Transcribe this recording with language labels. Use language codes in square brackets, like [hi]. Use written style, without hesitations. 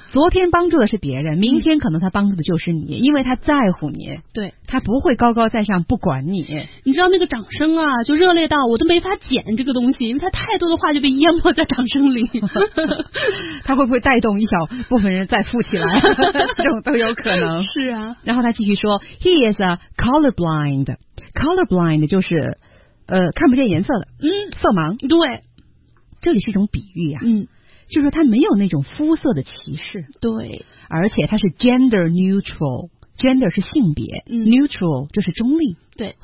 [zh] 昨天帮助的是别人，明天可能他帮助的就是你，因为他在乎你。对，他不会高高在上不管你。你知道那个掌声啊，就热烈到我都没法剪这个东西，因为他太多的话就被淹没在掌声里。他会不会带动一小部分人再富起来？这种都有可能。是啊。然后他继续说 ， [en] He is a colorblind。 [zh] colorblind 就是看不见颜色的，色盲。对，这里是一种比喻呀、就是说他没有那种肤色的歧视。对，而且他是 [en] gender neutral， [zh] gender 是性别、neutral 就是中立。对，